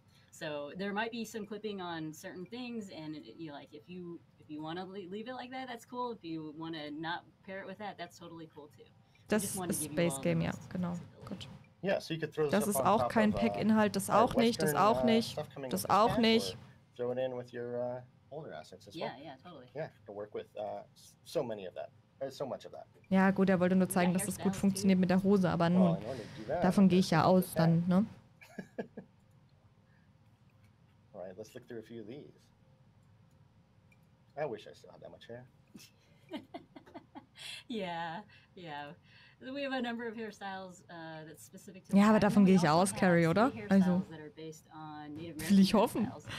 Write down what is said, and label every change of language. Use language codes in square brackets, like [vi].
[en] So there might be some clipping on certain things and you like if you want to leave it like that, that's cool. If you want to not pair it with that, that's totally cool too. [de] Das ist Space Game, ja, genau. Gut. [en] Yeah, so you could throw [de] das ist auch kein Pack-Inhalt, das auch nicht, das auch nicht, das auch nicht. [en] Throw it in with your older assets as well. Yeah, yeah, totally. Yeah, to work with so many of that, so much of that. [de] Ja, gut, er wollte nur zeigen, dass das gut funktioniert mit der Hose, aber nun, davon gehe ich ja aus dann, ne? [en] Alright, let's look through a few of these. I wish I still had that much hair. Yeah, yeah. We have a number of hairstyles that's specific to [de] ja, aber davon gehe ich aus, Carrie, oder? Also, will ich hoffen.